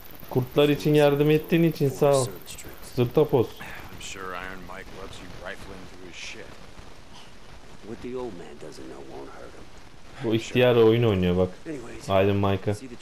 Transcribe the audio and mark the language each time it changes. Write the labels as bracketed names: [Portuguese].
[Turkish] Kurtlar için yardım ettiğin için sağ ol. Zırtapos. [English] I'm sure Iron Mike loves you rifling through his shit. What the old man doesn't know won't hurt him. [Turkish] Bu ihtiyar oyun oynuyor bak. Aydın Mike'a.